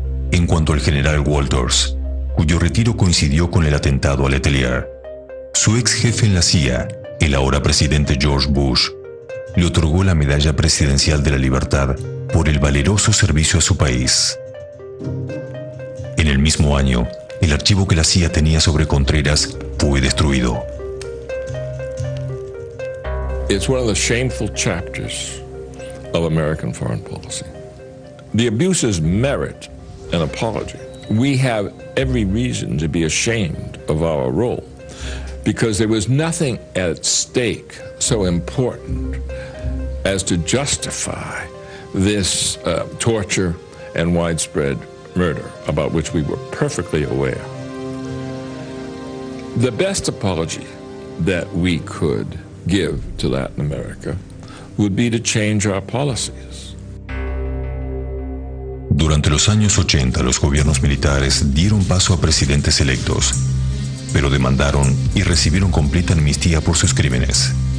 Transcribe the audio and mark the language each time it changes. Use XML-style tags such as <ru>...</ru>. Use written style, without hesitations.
<es>En cuanto al general Walters, cuyo retiro coincidió con el atentado a Letelier, su ex jefe en la CIA, el ahora presidente George Bush, le otorgó la Medalla Presidencial de la Libertad por el valeroso servicio a su país. En el mismo año, el archivo que la CIA tenía sobre Contreras fue destruido.</es> <en>It's one of the shameful chapters of American foreign policy. The abuses merit an apology. We have every reason to be ashamed of our role, because there was nothing at stake so important as to justify this torture and widespread murder, about which we were perfectly aware. The best apology that we could give to Latin America would be to change our policies.</en> <es>Durante los años 80, los gobiernos militares dieron paso a presidentes electos, pero demandaron y recibieron completa amnistía por sus crímenes.</es>